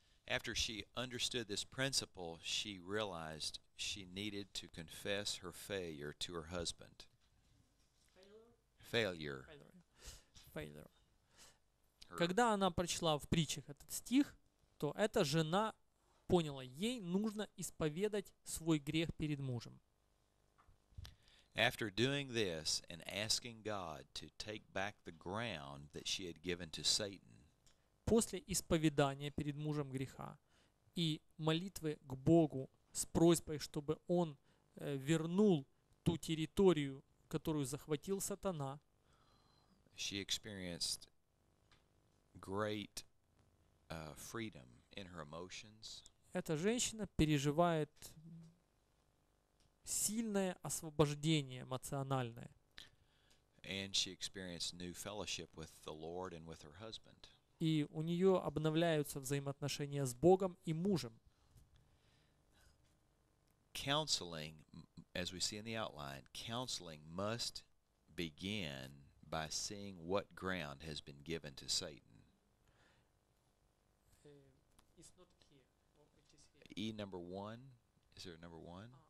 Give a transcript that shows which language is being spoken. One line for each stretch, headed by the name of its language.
English: After she understood this principle, she realized she needed to confess her failure to her husband. Failure.
Russian: Когда она прочла в притчах этот стих, то эта жена поняла, ей нужно исповедать свой грех перед мужем.
English: After doing this and asking God to take back the ground that she had given to Satan,
Russian: после исповедания перед мужем греха и молитвы к Богу с просьбой, чтобы он вернул ту территорию, которую захватил сатана,
English: she experienced great freedom in her emotions.
Russian: Эта женщина переживает сильное освобождение эмоциональное.
English: And she experienced new fellowship with the Lord and with her husband.
Russian: И у нее обновляются взаимоотношения с Богом и мужем.
English: Counseling, as we see in the outline, counseling must begin by seeing what ground has been given to Satan. It's not here. It is here. E number one. Is there a number one?